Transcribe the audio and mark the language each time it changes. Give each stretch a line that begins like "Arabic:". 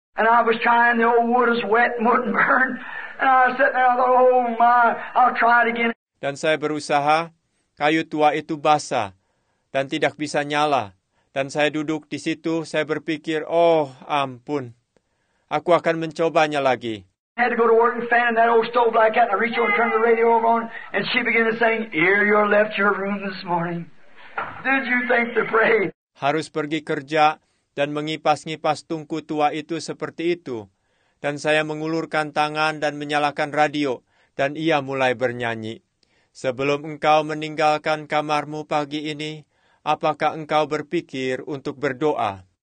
English: And I was trying, the old wood is wet and wouldn't burn. And I was sitting there, I thought, oh my, I'll try it again.
Indonesian: Dan saya berusaha, kayu tua itu basah dan tidak bisa nyala. Dan saya duduk di situ, saya berpikir, oh ampun, aku akan mencobanya lagi.
English: I had to go to work and fan in that old stove like that, and I reached over and turned the radio over on, and she began to sing, ere you left your room this morning, did you think to pray?
Indonesian: Harus pergi kerja dan mengipas-ngipas tungku tua itu seperti itu. Dan saya mengulurkan tangan dan menyalakan radio, dan ia mulai bernyanyi. Sebelum engkau meninggalkan kamarmu pagi ini, apakah engkau berpikir untuk berdoa?